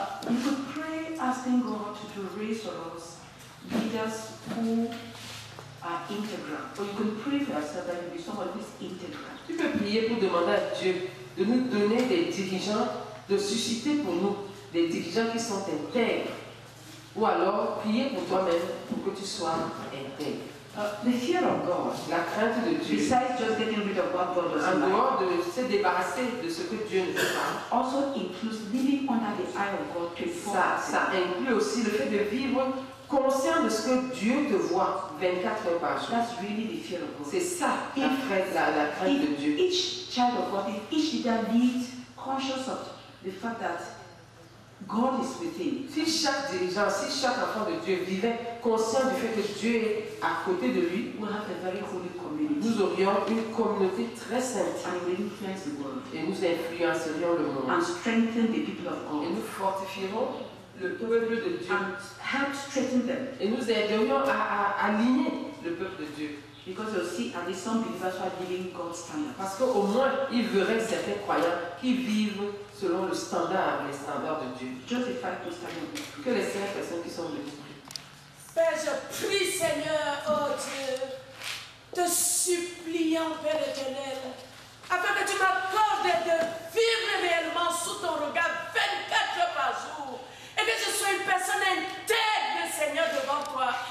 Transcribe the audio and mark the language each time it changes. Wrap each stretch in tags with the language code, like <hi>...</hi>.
<en>You could pray asking God to raise for us leaders who are integral. Or you can pray for yourself that you be someone who is integral.</en> <fr>Tu peux prier pour demander à Dieu de nous donner des dirigeants, de susciter pour nous des dirigeants qui sont intègres. Ou alors prier pour toi-même pour que tu sois intègre.</fr> <en>The fear of God,</en> <fr>la crainte de Dieu,</fr> <en>besides just getting rid of what God doesn't</en> <fr>en dehors de se débarrasser de ce que Dieu ne veut pas,</fr> <en>also includes living under the eye of God.</en> <fr>Ça inclut aussi le fait de vivre conscient de ce que Dieu te voit 24 heures par jour.</fr> <en>That's really the fear of God.</en> <fr>C'est ça, la crainte de Dieu.</fr> <en>Each child of God, each leader leads conscious of the fact that God is with him.</en> <fr>Si chaque dirigeant, si chaque enfant de Dieu vivait conscient du fait que Dieu est à côté de lui,</fr> <en>we'll have a very holy community.</en> <fr>Nous aurions une communauté très sainte.</fr> <en>And we influence the world.</en> <fr>Et nous influencerions le monde.</fr> <en>And strengthen the people of God.</en> <fr>Et nous fortifierons le peuple de Dieu.</fr> <en>And help strengthen them.</en> <fr>Et nous aiderions à aligner le peuple de Dieu.</fr> <en>Because you see, at least some believers are living God's standards.</en> <fr>Parce qu'au moins, ils verraient certains croyants qui vivent selon le standard, les standards de Dieu.</fr> <en>Justify those standards.</en> <fr>Que les cinq personnes qui sont venues. Père, je prie, Seigneur, oh Dieu, te suppliant, Père éternel, afin que tu m'accordes de vivre réellement sous ton regard 24 heures par jour et que je sois une personne intègre, Seigneur, devant toi.</fr>